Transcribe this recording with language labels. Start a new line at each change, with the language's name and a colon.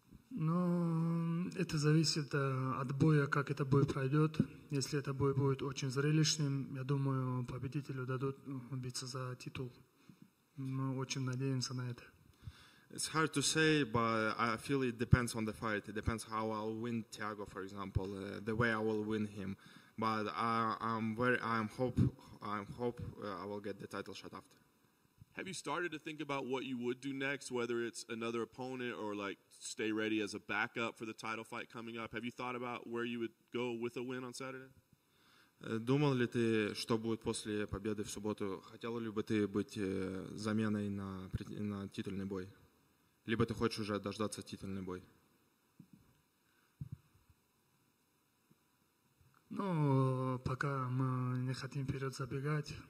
Russian: Но это зависит от боя, как этот бой пройдет. Если этот бой будет очень зрелищным, я думаю, победителю дадут биться за титул. Мы очень надеемся на это.
English: It's hard to say, but I feel it depends on the fight. It depends how I'll win Thiago, for example, the way I will win him. But I'm hope I will get the title shot after. Have you started to think about what you would do next, whether it's another opponent or like stay ready as a backup for the title fight coming up? Have you thought about where you would go with a win on Saturday?
Russian: Думал ли ты, что будет после победы в субботу? Хотел ли бы ты быть заменой на титульный бой? Либо ты хочешь уже дождаться титульный бой? Ну, пока мы не хотим вперед забегать.